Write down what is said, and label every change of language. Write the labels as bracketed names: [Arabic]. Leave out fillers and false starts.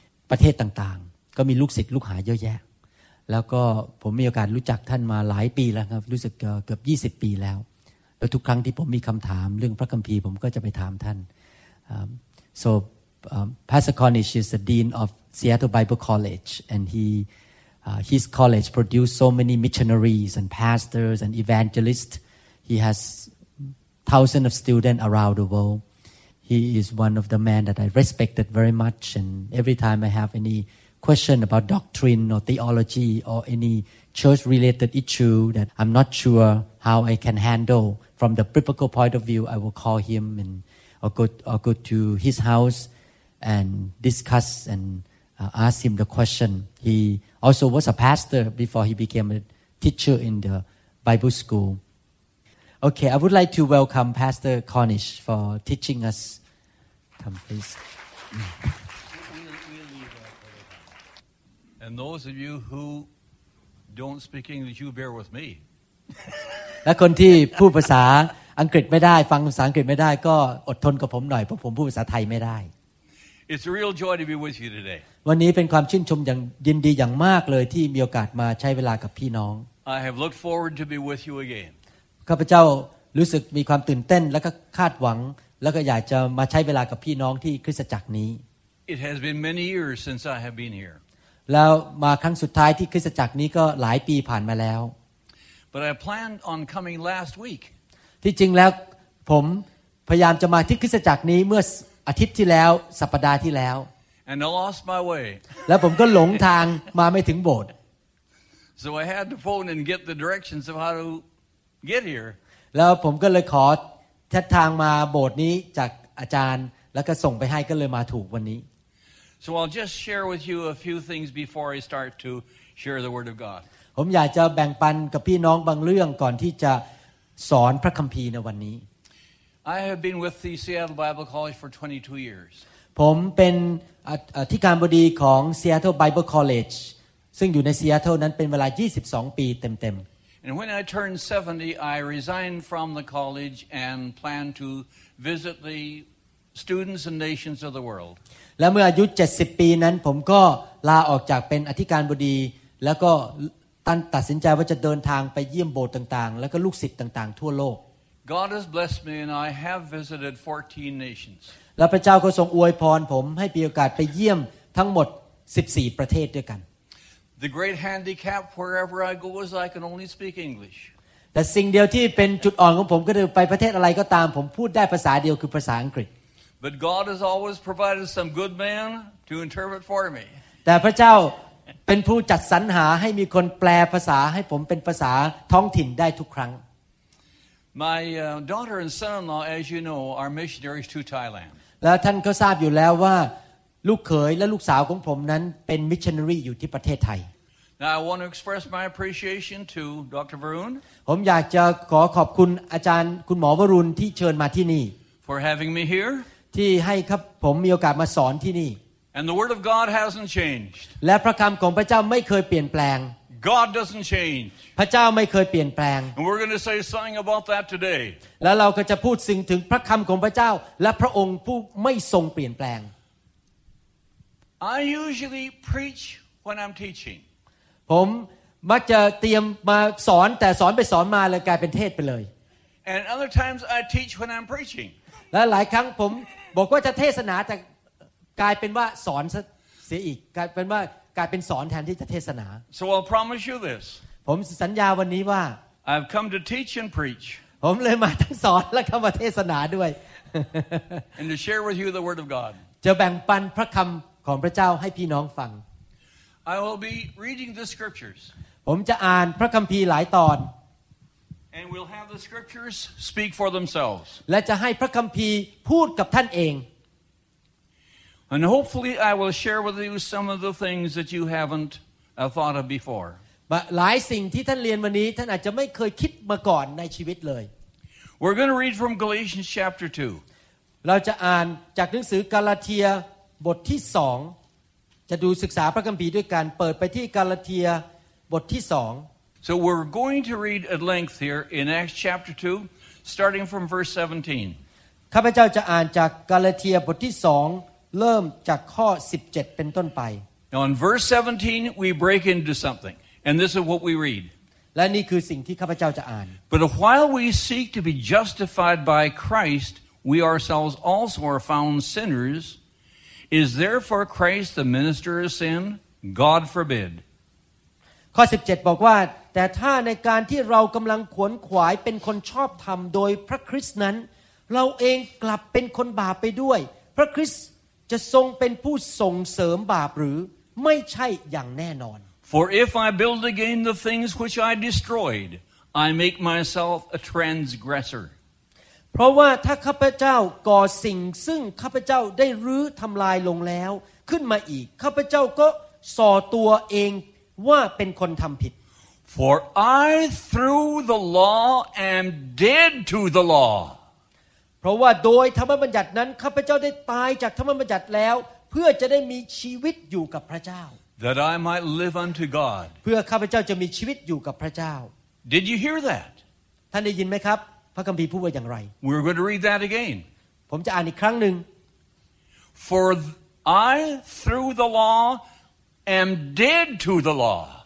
[Thai] ประเทศต่างๆก็มีลูกศิษย์ลูกหาเยอะแยะแล้วก็ผมมีโอกาสรู้จักท่านมาหลายปีแล้วครับรู้สึกเกือบ20ปีแล้วแล้วทุกครั้งที่ผมมีคำถามเรื่องพระคัมภีร์ผมก็จะไปถามท่าน [English] So Pastor Cornish is the dean of Seattle Bible College, and his college produced so many missionaries and pastors and evangelists. He has thousands of students around the world. He is one of the men that I respected very much, and every time I have any question about doctrine or theology or any church-related issue that I'm not sure how I can handle from the biblical point of view, I will call him andI'll go to his house and discuss and ask him the question. He also was a pastor before he became a teacher in the Bible school. Okay, I would like to welcome Pastor Cornish for teaching us. Come, please. And those of you who don't speak English, you bear with me. [Thai] และคนที่พูดภาษาอังกฤษไม่ได้ฟังภาษาอังกฤษไม่ได้ก็อดทนกับผมหน่อยเพราะผมพูดภาษาไทยไม่ได้ [English] It's a real joy to be with you today [Thai] วันนี้เป็นความชื่นชมอย่างยินดีอย่างมากเลยที่มีโอกาสมาใช้เวลากับพี่น้อง [English] I have looked forward to be with you again [Thai] ข้าพเจ้ารู้สึกมีความตื่นเต้นแล้วก็คาดหวังแล้วก็อยากจะมาใช้เวลากับพี่น้องที่คริสตจักรนี้ [English] It has been many years since I have been here [Thai] แล้วมาครั้งสุดท้ายที่คริสตจักรนี้ก็หลายปีผ่านมาแล้ว [English] But I planned on coming last week [Thai] ที่จริงแล้วผมพยายามจะมาที่คริสตจักรนี้เมื่ออาทิตย์ที่แล้วสัปดาห์ที่แล้ว [English] And I lost my way [Thai] แล้วผมก็หลงทางมาไม่ถึงโบสถ์ [English] So I had to phone and get the directions of how to get here [Thai] แล้วผมก็เลยขอทิศทางมาโบสถ์นี้จากอาจารย์แล้วก็ส่งไปให้ก็เลยมาถูกวันนี้ [English] So I'll just share with you a few things before I start to share the word of God [Thai] ผมอยากจะแบ่งปันกับพี่น้องบางเรื่องก่อนที่จะสอนพระคัมภีร์ในวันนี้ [English] I have been with the Seattle Bible College for 22 years [Thai] ผมเป็นอธิการบดีของ Seattle Bible College ซึ่งอยู่ใน Seattle นั้นเป็นเวลา22ปีเต็ม [English] ๆ And when I turned 70 I resigned from the college and planned to visit the students and nations of the world [Thai] และเมื่ออายุ70ปีนั้นผมก็ลาออกจากเป็นอธิการบดีแล้วก็ตัดสินใจว่าจะเดินทางไปเยี่ยมโบสถ์ต่างๆและก็ลูกศิษย์ต่างๆทั่วโลก [English] God has blessed me and I have visited 14 nations [Thai] และพระเจ้าก็ทรงอวยพรผมให้มีโอกาสไปเยี่ยมทั้งหมด14ประเทศด้วยกัน [English] The great handicap wherever I go is I can only speak English [Thai] แต่สิ่งเดียวที่เป็นจุดอ่อนของผมก็คือไปประเทศอะไรก็ตามผมพูดได้ภาษาเดียวคือภาษาอังกฤษ [English] But God has always provided some good man to interpret for me [Thai] แต่พระเจ้าเป็นผู้จัดสรรหาให้มีคนแปลภาษาให้ผมเป็นภาษาท้องถิ่นได้ทุกครั้ง [English] My daughter and son-in-law as you know are missionaries to Thailand [Thai] และท่านก็ทราบอยู่แล้วว่าลูกเขยและลูกสาวของผมนั้นเป็นมิชชันนารีอยู่ที่ประเทศไทย [English] Now I want to express my appreciation to Dr. Varun [Thai] ผมอยากจะขอขอบคุณอาจารย์คุณหมอวรุณที่เชิญมาที่นี่ [English] For having me here [Thai] ที่ให้ครับผมมีโอกาสมาสอนที่นี่ [English] And the word of God hasn't changed. [Thai] และพระคำของพระเจ้าไม่เคยเปลี่ยนแปลง [English] God doesn't change. [Thai] พระเจ้าไม่เคยเปลี่ยนแปลง [English] And we're going to say something about that today. [Thai] แล้วเราก็จะพูดถึงพระคำของพระเจ้าและพระองค์ผู้ไม่ทรงเปลี่ยนแปลง [English] I usually preach when I'm teaching. [Thai] ผมมักจะเตรียมมาสอนแต่สอนไปสอนมาเลยกลายเป็นเทศไปเลย [English] And other times I teach when I'm preaching. [Thai] และหลายครั้งผมบอกว่าจะเทศนาแต่กลายเป็นว่าสอนเสียอีกกลายเป็นสอนแทนที่จะเทศนา [English] So I promise you this. [Thai] ผมสัญญาวันนี้ว่า [English] I've come to teach and preach. [Thai] ผมเลยมาทั้งสอนและก็มาเทศนาด้วย [English] And to share with you the word of God. [Thai] จะแบ่งปันพระคำของพระเจ้าให้พี่น้องฟัง [English] I will be reading the scriptures. [Thai] ผมจะอ่านพระคัมภีร์หลายตอน [English] And we'll have the scriptures speak for themselves. [Thai] และจะให้พระคัมภีร์พูดกับท่านเอง [English] And hopefully I will share with you some of the things that you haven't thought of before. [Thai] But หลายสิ่งที่ท่านเรียนวันนี้ท่านอาจจะไม่เคยคิดมาก่อนในชีวิตเลย [English] We're going to read from Galatians chapter 2. [Thai] เราจะอ่านจากหนังสือกาลาเทียบทที่2จะดูศึกษาพระคัมภีร์ด้วยกันเปิดไปที่กาลาเทียบทที่2 [English] So we're going to read at length here in Acts chapter 2 starting from verse 17. [Thai] ข้าพเจ้าจะอ่านจากกาลาเทียบทที่2เริ่มจากข้อ17เป็นต้นไป [English] Now in verse 17 we break into something and this is what we read [Thai] และนี่คือสิ่งที่ข้าพเจ้าจะอ่าน [English] But while we seek to be justified by Christ we ourselves also are found sinners is therefore Christ the minister of sin God forbid [Thai] ข้อ17บอกว่าแต่ถ้าในการที่เรากำลังขวนขวายเป็นคนชอบธรรมโดยพระคริสต์นั้นเราเองกลับเป็นคนบาปไปด้วยพระคริสต์จะทรงเป็นผู้ส่งเสริมบาปหรือไม่ใช่อย่างแน่นอน [English] For if I build again the things which I destroyed I make myself a transgressor [Thai] เพราะว่าถ้าข้าพเจ้าก่อสิ่งซึ่งข้าพเจ้าได้รื้อทำลายลงแล้วขึ้นมาอีกข้าพเจ้าก็ส่อตัวเองว่าเป็นคนทำผิด [English] For I through the law am dead to the law [Thai] เพราะว่าโดยธรรมบัญญัตินั้นข้าพเจ้าได้ตายจากธรรมบัญญัติแล้วเพื่อจะได้มีชีวิตอยู่กับพระเจ้า [English] That I might live unto God [Thai] เพื่อข้าพเจ้าจะมีชีวิตอยู่กับพระเจ้า [English] Did you hear that [Thai] ท่านได้ยินไหมครับพระคัมภีร์พูดว่าอย่างไร [English] We're going to read that again [Thai] ผมจะอ่านอีกครั้งหนึ่ง [English] For I through the law am dead to the law